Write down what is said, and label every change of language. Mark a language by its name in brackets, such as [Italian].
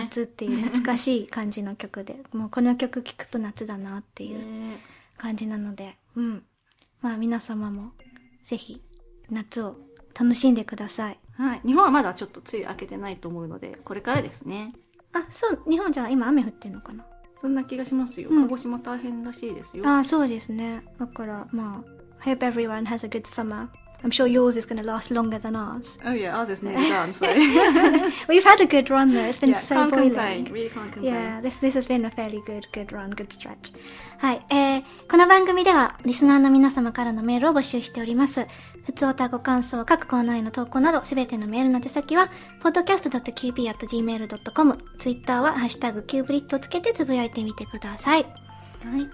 [Japanese] 夏っていう懐かしい感じの曲で、もうこの曲聴くと夏だなっていう感じなので、うん、まあ皆様もぜひ夏を楽しんでください。はい、日本はまだちょっと梅雨明けてないと思うので、これからですね。あ、そう、日本じゃ今雨降ってんのかな。そんな気がしますよ。うん、鹿児島大変らしいですよ。あ、そうですね。だからまあ、 [English] Hope everyone has a good summer. I'm sure yours is going to last longer than ours. Oh yeah, ours is nearly done, sorry. We've had a good run though, it's been yeah, so can't boiling. Yeah, can't complain, really can't complain. Yeah, this has been a fairly good run, good stretch. [Japanese] はい、この番組ではリスナーの皆様からのメールを募集しております。普通歌ご感想、各コーナーへの投稿など、すべてのメールの手先は、podcast.qb.gmail.com、Twitter は、ハッシュタグ qbrit をつけてつぶやいてみてください。はい、